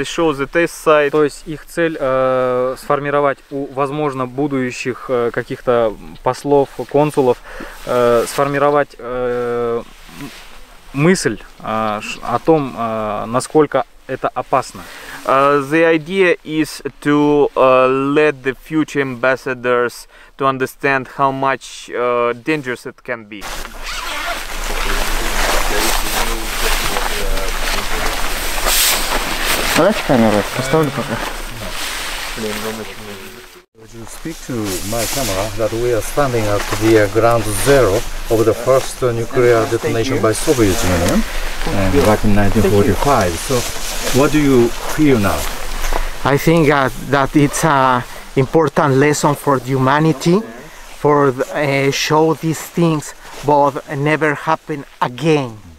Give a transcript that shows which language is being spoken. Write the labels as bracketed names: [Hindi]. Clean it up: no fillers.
[English] They show the test site. [Russian] То есть их цель сформировать у возможно будущих каких-то послов, консулов, сформировать мысль о том, насколько это опасно. [English] The idea is to let the future ambassadors to understand how much dangerous it can be. [Russian] Давайте камеру поставлю пока. [English] Would you speak to my camera that we are standing at the ground zero of the first nuclear detonation by Soviet Union back in 1945. So what do you feel now? I think that it's an important lesson for humanity, for show these things both never happen again.